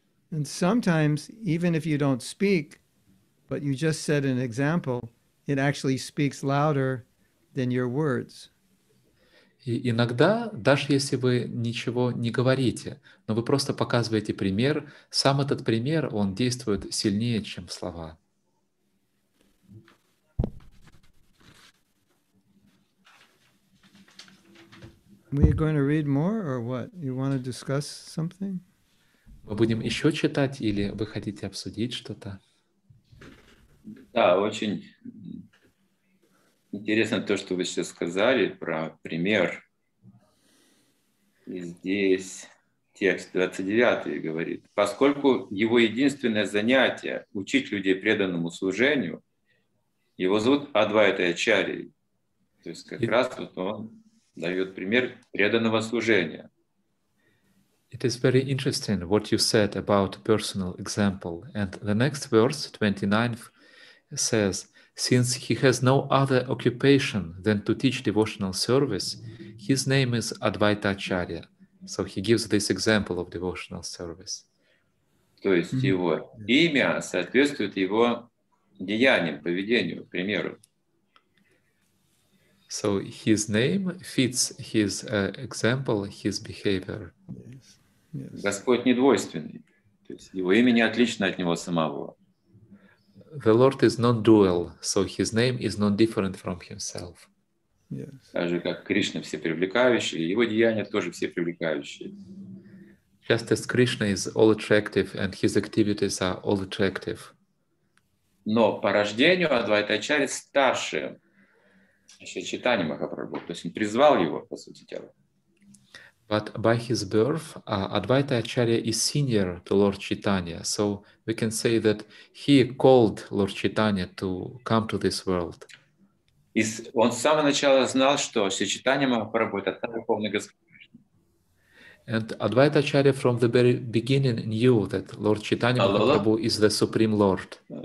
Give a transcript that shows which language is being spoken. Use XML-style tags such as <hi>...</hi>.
<en>And sometimes, even if you don't speak, but you just set an example, it actually speaks louder than your words.</en> <ru>И иногда, даже если вы ничего не говорите, но вы просто показываете пример, сам этот пример, он действует сильнее, чем слова.</ru> <en>We are going to read more or what? You want to discuss something?</en> <ru>Мы будем еще читать или вы хотите обсудить что-то? Да, очень интересно то, что вы сейчас сказали про пример. И здесь текст 29 говорит, поскольку его единственное занятие – учить людей преданному служению, его зовут Адвайта Ачарьи. То есть как раз вот он дает пример преданного служения.</ru> <en>It is very interesting what you said about personal example. And the next verse, 29, says, since he has no other occupation than to teach devotional service, his name is Advaita Acharya. So he gives this example of devotional service.</en> <ru>То есть mm-hmm. его имя соответствует его деяниям, поведению, примеру.</ru> <en>So his name fits his example, his behavior. Yes.</en> <ru>Господь недвойственный. То есть его имя не отлично от него самого.</ru> <en>The Lord is non-dual, so his name is non-different from himself. Yes.</en> <ru>Так же, как Кришна все привлекающие, его деяния тоже все привлекающие.</ru> <en>Just as Krishna is all attractive and his activities are all attractive.</en> <ru>Но по рождению Адвайта Ачарьи старше Чайтанья Махапрабху, то есть он призвал его, по сути дела.</ru> <en>But by his birth, Advaita Acharya is senior to Lord Chaitanya. So we can say that he called Lord Chaitanya to come to this world.</en> <ru>И он с самого начала знал, что Шри Чайтанья Махапрабху — это та Верховная Господь.</ru> <en>And Advaita Acharya from the very beginning knew that Lord Chaitanya Махапрабху is the Supreme Lord.</en>